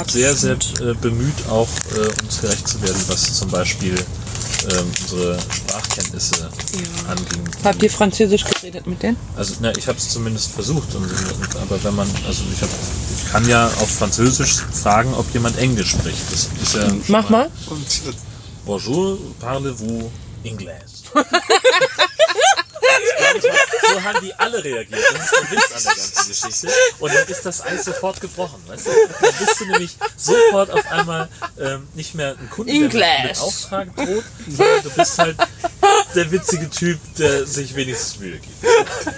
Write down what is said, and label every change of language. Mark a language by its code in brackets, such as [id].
[de] und sehr, sehr bemüht auch, uns gerecht zu werden, was zum Beispiel unsere Sprachkenntnisse anging. Habt ihr Französisch geredet mit denen? Also, na, ich habe es zumindest versucht. Aber wenn man, also ich kann ja auf Französisch fragen, ob jemand Englisch spricht. Das ist ja mach mal. Und, [fr] Bonjour, parlez-vous anglais? [de] So haben die alle reagiert. Das ist ein Witz an der ganzen Geschichte. Und dann ist das Eis sofort gebrochen. Weißt du? Dann bist du nämlich sofort auf einmal nicht mehr ein Kunde, [en] English, [de] der mit Auftrag droht, sondern du bist halt der witzige Typ, der sich wenigstens Mühe gibt.